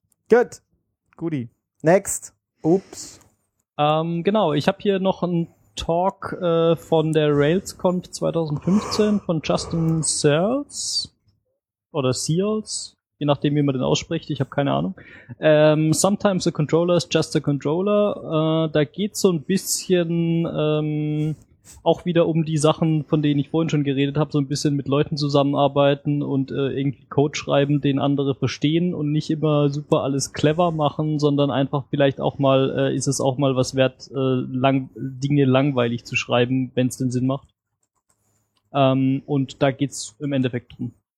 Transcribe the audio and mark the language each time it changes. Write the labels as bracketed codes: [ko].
[de] Gut. [en] Goodie. Next. [de] Ups. Genau, ich habe hier noch einen Talk von der RailsConf 2015 von Justin Searles. Oder Searles, je nachdem, wie man den ausspricht. Ich habe keine Ahnung. [en] Sometimes a controller is just a controller. [de] Da geht so ein bisschen auch wieder um die Sachen, von denen ich vorhin schon geredet habe, so ein bisschen mit Leuten zusammenarbeiten und irgendwie Code schreiben, den andere verstehen und nicht immer super alles clever machen, sondern einfach vielleicht auch mal, ist es auch mal was wert, Dinge langweilig zu schreiben, wenn es denn Sinn macht. Und da geht's im Endeffekt drum.